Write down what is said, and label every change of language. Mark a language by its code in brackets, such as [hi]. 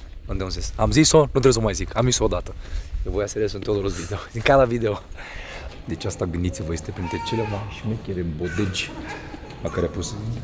[ro] Entonces, am zis-o, nu trebuie să o mai zic, am zis-o odată. [es] Eu voi hacer eso en todos los videos, en cada video. [ro] Deci asta, gândiți-vă, este printre cele mai șmechere bodegi la care a pus...